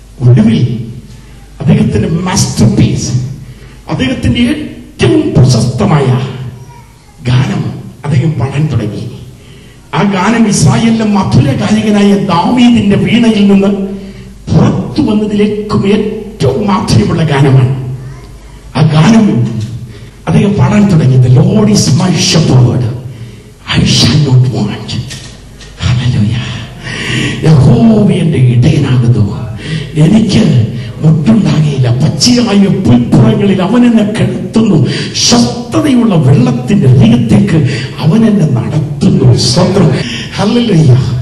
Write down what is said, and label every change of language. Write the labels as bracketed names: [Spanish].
[Malayalam] ഒടുവിൽ അദ്ദേഹത്തിന്റെ master piece, അദ്ദേഹത്തിന്റെ ഏറ്റവും പ്രശസ്തമായ ഗാനം അദ്ദേഹം പാടാൻ തുടങ്ങി. ആ ഗാനം ഇസ്രായേലിലെ മധുര ഗായകനായ ദാവീദിന്റെ വീണയിൽ നിന്ന് പുറത്തു വന്നതിലേക്കും ഏറ്റവും മാധുര്യമുള്ള ഗാനമാണ്. ആ ഗാനം അദ്ദേഹം പാടാൻ തുടങ്ങി. [English] The Lord is my shepherd, I shall not want. Hallelujah. [Malayalam] യഹോവയുടെ ഇടയനാകുന്നു, എനിക്ക് മുട്ടുണ്ടാകയില്ല. പച്ചയായ പുൽപ്പുറങ്ങളിൽ അവൻ എന്നെ കെടുത്തുന്നു. ശക്തതയുള്ള വെള്ളത്തിന്റെ രീതിയിലേക്ക് അവൻ എന്നെ നടത്തുന്നു. Hallelujah.